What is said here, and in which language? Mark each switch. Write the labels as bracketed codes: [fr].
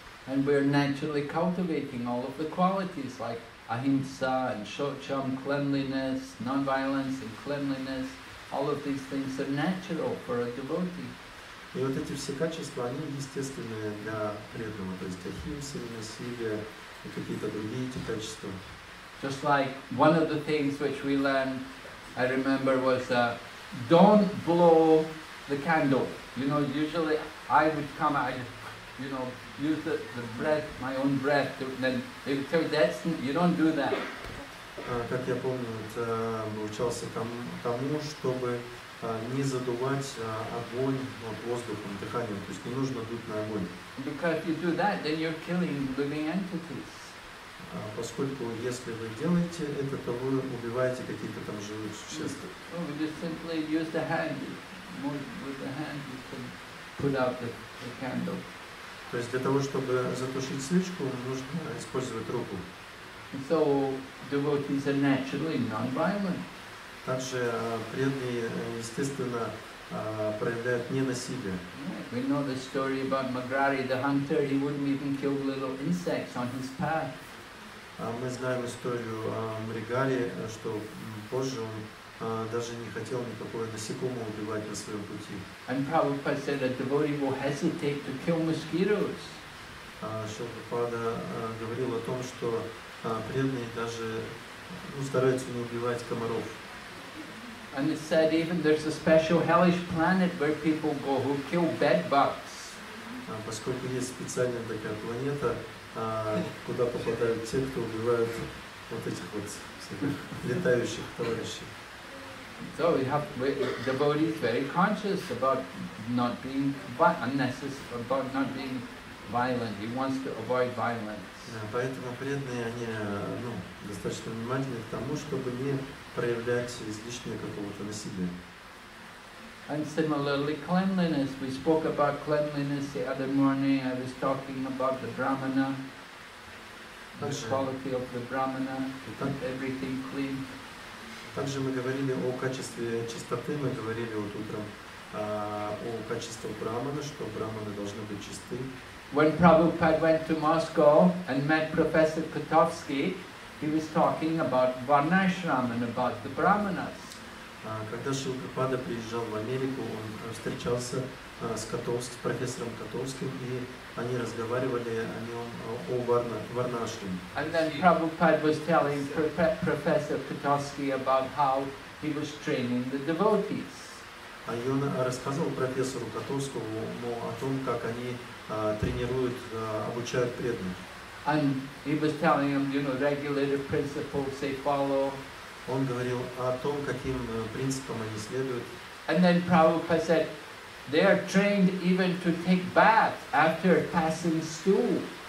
[en] And we are naturally cultivating all of the qualities like ahimsa and shocham, cleanliness, non-violence and cleanliness. All of these things are natural for a devotee. [ru] И вот эти все качества, они естественные для преданного, то есть ахимса, насилие и какие-то другие эти качества. [en] Just like one of the things which we learned, I remember, was don't blow the candle. You know, usually I would come, use the breath, my own breath, and then they would tell you, you don't do that. [ru] Как я помню, учился тому, чтобы не задувать огонь воздухом, дыханием, то есть не нужно дуть на огонь. [en] Because if you do that, then you're killing living entities. [ru] Поскольку если вы делаете это, то вы убиваете какие-то там живые существа. [en] Oh, we just simply use the hand. With the hand you can put out the candle. [ru] То есть для того, чтобы затушить свечку, нужно использовать руку. [en] So devotees are naturally non-violent. [ru] Также преданные, естественно, проявляют ненасилие. [en] We know the story about Magrari, the hunter. He wouldn't even kill little insects on his path. [ru] Мы знаем историю Мригари, что позже он даже не хотел никакого насекомого убивать на своем пути. [en] And Prabhupada said that devotee will hesitate to kill mosquitoes. [ru] Шрила Прабхупада говорил о том, что преданные даже стараются не убивать комаров. [en] And it said even there's a special hellish planet where people go who kill bedbugs. [ru] Поскольку есть специальная такая планета, куда попадают те, кто убивают вот этих вот летающих товарищей. [en] So we have devotees very conscious about not being unnecessary, about not being violent. He wants to avoid violence. [ru] Поэтому преданные они достаточно внимательны к тому, чтобы не проявлять излишнее какого-то насилия. [en] And similarly, cleanliness. We spoke about cleanliness the other morning. I was talking about the brahmana, the quality of the brahmana, to keep everything clean. [ru] Также мы говорили о качестве чистоты, мы говорили вот утром о качестве брахмана, что брахманы должны быть чисты. [en] When Prabhupada went to Moscow and met Professor Kotovsky, he was talking about varnashram and about the brahmanas. [ru] Когда Шрила Прабхупада приезжал в Америку, он встречался с профессором Котовским, и они разговаривали о нем, о варнашраме. [en] And then Prabhupada was telling Professor Kotovsky about how he was training the devotees. [ru] А он рассказывал профессору Котовскому о том, как они тренируют, обучают преданных. [en] And he was telling him, regulative principles they follow. [ru] Он говорил о том, каким принципам они следуют. [en] And then Prabhupada said, they are trained even to take bath after passing stool.